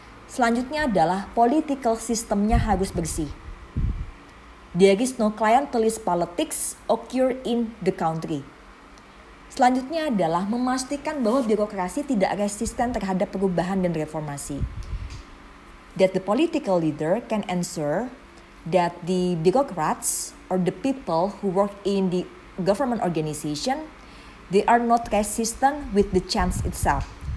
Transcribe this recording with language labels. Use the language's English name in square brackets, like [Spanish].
[Indonesian] Selanjutnya adalah political systemnya harus bersih. [English] There is no clientelist politics occur in the country. [Indonesian] Selanjutnya adalah memastikan bahwa birokrasi tidak resisten terhadap perubahan dan reformasi. [English] That the political leader can ensure that the bureaucrats or the people who work in the government organization, they are not resistant with the change itself.